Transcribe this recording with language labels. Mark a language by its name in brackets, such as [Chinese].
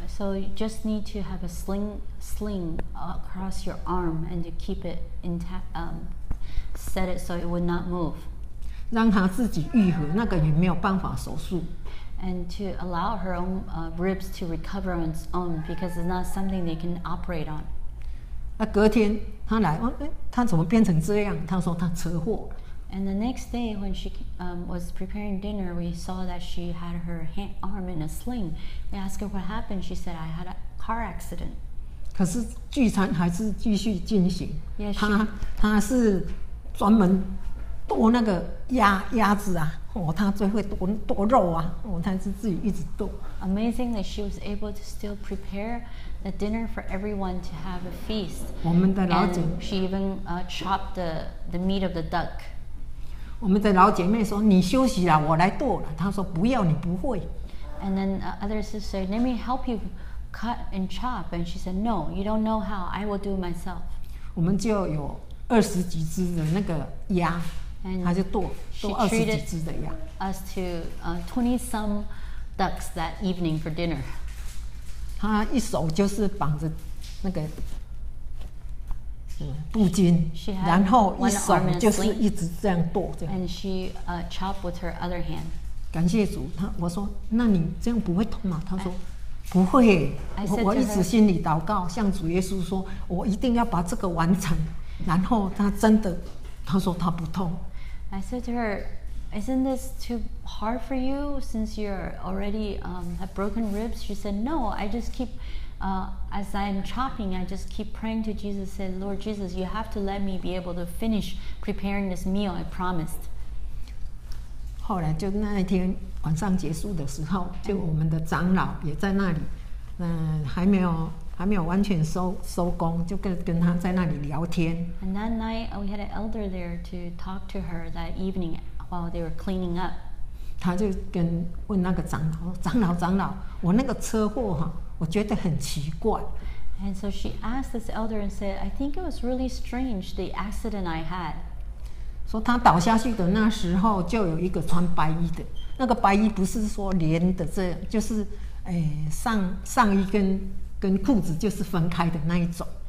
[English] So you just need to have a sling across your arm and to keep it intact, set it so it would not move.” [Chinese] 让他自己愈合，那个也没有办法手术。 [English] and to allow her own ribs to recover on its own because it's not something they can operate on. [Chinese] 那隔天她来，她怎么变成这样？她说她车祸。 [English] And the next day when she was preparing dinner, we saw that she had her hand, arm in a sling. We asked her what happened. She said, I had a car accident. [Chinese] 可是聚餐还是继续进行。 [English] Yes, [Chinese] 她是专门剁那个 鸭子啊、哦、她最会 剁肉啊、哦、她是自己一直剁。 [English] Amazingly, she was able to still prepare the dinner for everyone to have a feast. [Chinese] 我们的老姐 [English] And she even chopped the meat of the duck. [Chinese] 我们的老姐妹说：“你休息啦，我来剁了。” 她说：“不要，你不会。” [English] And then other sisters say, "Let me help you cut and chop." And she said, "No, you don't know how. I will do it myself." [Chinese] 我们就有二十几只的那个鸭，她就剁二十几只的鸭。 [English] Us to 20 some ducks that evening for dinner. [Chinese] 她一手就是绑着那个布巾，然后一手就是一直这样剁，这样。 [English] And she chopped with her other hand. [Chinese] 感谢主，他我说，那你这样不会痛吗？他说，不会。我一直心里祷告，向主耶稣说，我一定要把这个完成。然后他真的，他说他不痛。 [English] I said to her, "Isn't this too hard for you since you're already have broken ribs?" She said, "No, I just keep." As I'm chopping, I just keep praying to Jesus, say, Lord Jesus, you have to let me be able to finish preparing this meal, I promised. [Chinese] 后来就那一天晚上结束的时候，就我们的长老也在那里，还没有完全收工，就跟他在那里聊天。 [English] And that night, we had an elder there to talk to her that evening while they were cleaning up. [Chinese] 他就问那个长老，长老，我那个车祸哈。我觉得很奇怪。 [English] And so she asked this elder and said, I think it was really strange, the accident I had. [Chinese] 说他倒下去的那时候就有一个穿白衣的。那个白衣不是说连的这样，就是上衣跟裤子就是分开的那一种。